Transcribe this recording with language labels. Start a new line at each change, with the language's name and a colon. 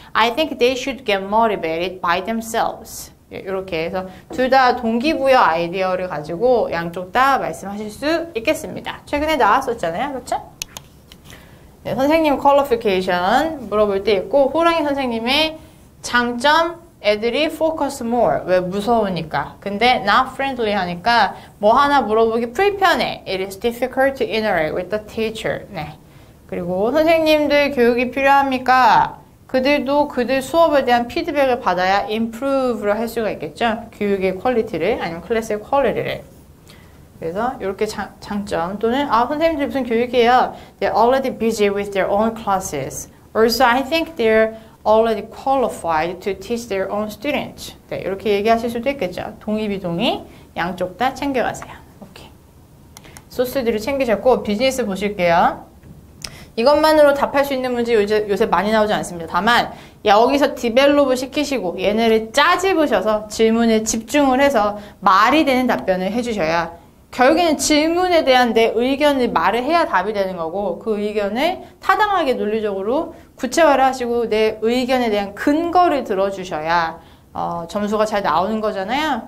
English: I think they should get motivated by themselves.
Korean: 이렇게 해서 둘 다 동기부여 아이디어를 가지고 양쪽 다 말씀하실 수 있겠습니다. 최근에 나왔었잖아요. 그렇죠? 네, 선생님 퀄리피케이션 물어볼 때 있고 호랑이 선생님의 장점 애들이
English: focus more.
Korean: 왜? 무서우니까. 근데
English: not friendly
Korean: 하니까 뭐 하나 물어보기 불편해.
English: It is difficult to interact with the teacher.
Korean: 네. 그리고 선생님들 교육이 필요합니까? 그들도 그들 수업에 대한 피드백을 받아야 improve를 할 수가 있겠죠. 교육의 퀄리티를 아니면 클래스의 퀄리티를. 그래서 이렇게 장점 또는 아 선생님들 무슨 교육이에요?
English: They're already busy with their own classes. Also I think they're already qualified to teach their own students.
Korean: 네, 이렇게 얘기하실 수도 있겠죠. 동의비동의 양쪽 다 챙겨가세요. 오케이. 소스들을 챙기셨고 비즈니스 보실게요. 이것만으로 답할 수 있는 문제 요새 많이 나오지 않습니다. 다만 여기서 디벨롭을 시키시고 얘네를 짜집으셔서 질문에 집중을 해서 말이 되는 답변을 해주셔야 결국에는 질문에 대한 내 의견을 말을 해야 답이 되는 거고 그 의견을 타당하게 논리적으로 구체화를 하시고 내 의견에 대한 근거를 들어주셔야 점수가 잘 나오는 거잖아요.